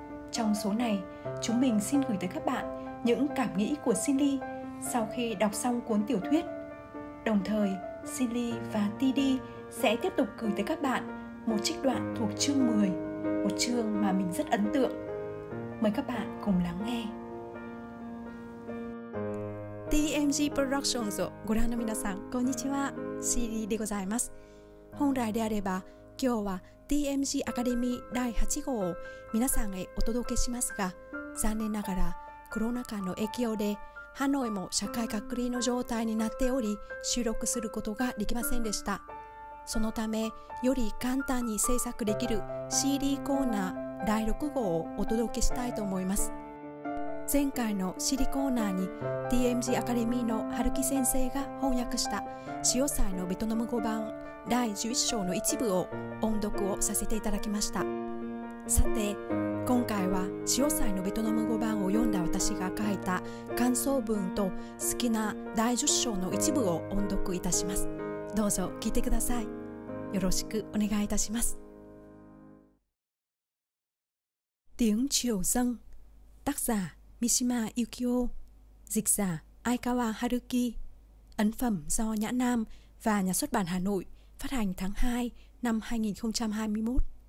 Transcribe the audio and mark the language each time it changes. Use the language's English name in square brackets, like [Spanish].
[Vietnamese] Trong số này, chúng mình xin gửi tới các bạn những cảm nghĩ của Silly sau khi đọc xong cuốn tiểu thuyết. Đồng thời, Silly và TD sẽ tiếp tục gửi tới các bạn một trích đoạn thuộc chương 10, một chương mà mình rất ấn tượng. Mời các bạn cùng lắng nghe. [Japanese] TMG Productions をご覧の皆さん、こんにちは。 CD でございます。本来であれば、今日は TMG Academy 第8号を皆さんへお届けしますが、残念ながらコロナ禍の影響で、ハノイも社会隔離の状態になっており、収録することができませんでした。そのため、より簡単に制作できる CD コーナー第6号をお届けしたいと思います。前回のシリコーナーに TMG アカデミーの春木先生が翻訳した潮騒のベトナム語版第11章の一部を音読をさせていただきました。さて、今回は潮騒のベトナム語版を読んだ私が書いた感想文と好きな第10章の一部を音読いたします。どうぞ聞いてください。よろしくお願いいたします。 [Vietnamese] Tiếng Chiều Dâng, tác giả Mishima Yukio, dịch giả Aikawa Haruki, ấn phẩm do Nhã Nam và Nhà xuất bản Hà Nội phát hành tháng 2 năm 2021.